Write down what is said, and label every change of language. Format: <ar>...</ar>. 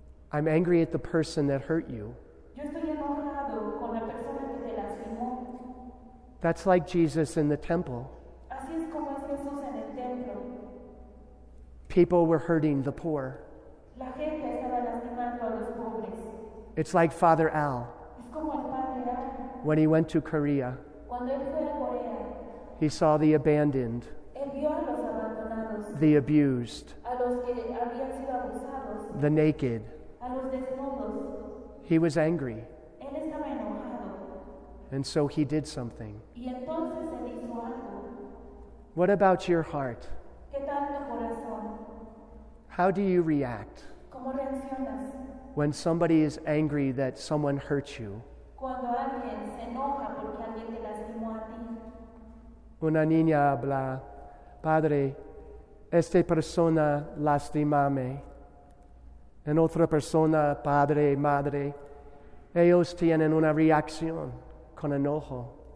<en>I'm angry at the person that hurt you.</en> <es>Yo estoy enojado con la persona que te lastima.</es> <en>That's like Jesus in the temple.</en> <es>Así es como es Jesús en el templo.</es> <en>People were hurting the poor.</en> <es>La gente estaba lastimando a los pobres.</es> <en>It's like Father Al.</en> <es>Es como el Padre Al.</es> <en>When he went to Korea.</en> <es>Cuando él fue a Corea.</es> <en>He saw the abandoned.</en> <es>Él vio a los abandonados.</es> <en>The abused.</en> <es>A los que habían sido abusados.</es> <en>The naked.</en> <es>A los desnudos.</es> <en>He was angry.</en> <es>Él estaba enojado.</es> <en>And so he did something.</en> <es>Y entonces él hizo algo.</es> <en>What about your heart?</en> <es>¿Qué tal tu corazón?</es> <en>How do you react?</en> <es>¿Cómo reaccionas?</es> <en>When somebody is angry that someone hurt you.</en> <es>Cuando alguien se enoja porque alguien te lastimó a ti. Una niña habla, padre, esta persona lastimame. En otra persona, padre, madre, ellos tienen una reacción con enojo.</es>